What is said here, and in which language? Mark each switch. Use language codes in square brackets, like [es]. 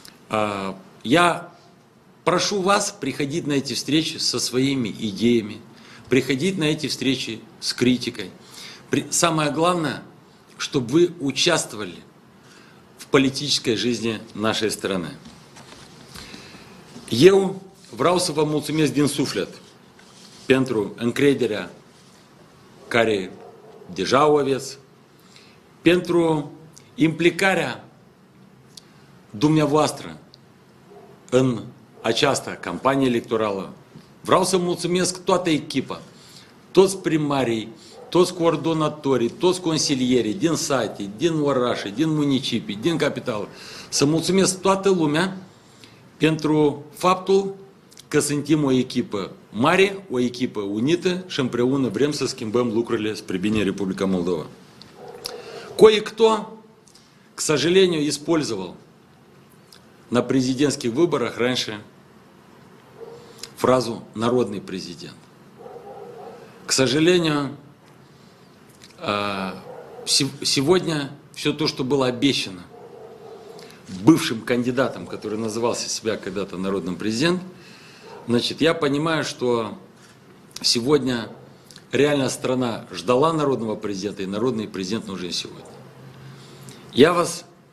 [ru] Я прошу вас приходить на эти встречи со своими идеями, приходить на эти встречи с критикой. Самое главное, чтобы вы участвовали в политической жизни нашей страны. [ro] Eu vreau să vă mulțumesc din suflet pentru încrederea care deja o aveți, pentru implicarea dumneavoastră în această campanie electorală. Vreau să mulțumesc toată echipa, toți primarii, toți coordonatorii, toți consilierii din sate, din orașe, din municipii, din capitală. Să mulțumesc toată lumea pentru faptul că suntem o echipă mare, o echipă unită și împreună vrem să schimbăm lucrurile spre bine Republica Moldova. [ru] Кое-кто, к сожалению, использовал на президентских выборах раньше фразу «народный президент». К сожалению, сегодня все то, что было обещано бывшим кандидатом, который назывался себя когда-то народным президентом, значит, я понимаю, что сегодня реально страна ждала народного президента, и народный президент нужен сегодня. Я вас